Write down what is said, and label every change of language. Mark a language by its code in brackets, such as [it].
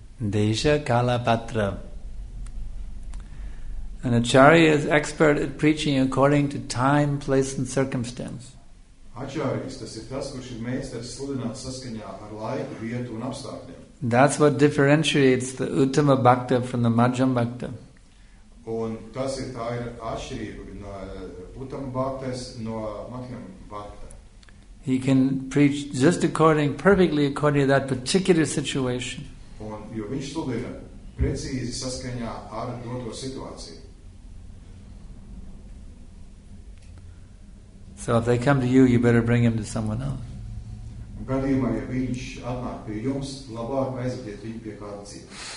[sa] Deja kalapatra. [en] An acharya is expert at preaching according to time, place, and circumstance. [lv] Acharyas, tas ir tas, kurš ir meistars sludināt saskaņā ar laiku, vietu un apstākļiem. [en] That's what differentiates the Uttama Bhakta from the Madhyama Bhakta. [lv] Un tas ir tā ir atšķirība no Uttama Bhaktas no Madhyama Bhakta. [en] He can preach just perfectly according to that particular situation. [lv] Un jo viņš sludina precīzi saskaņā ar doto situāciju. [en] So if they come to you, you better bring him to someone else. [lv] Gadījumā, ja viņš atnāk pie jums, labāk aizvediet viņu pie kāda cita.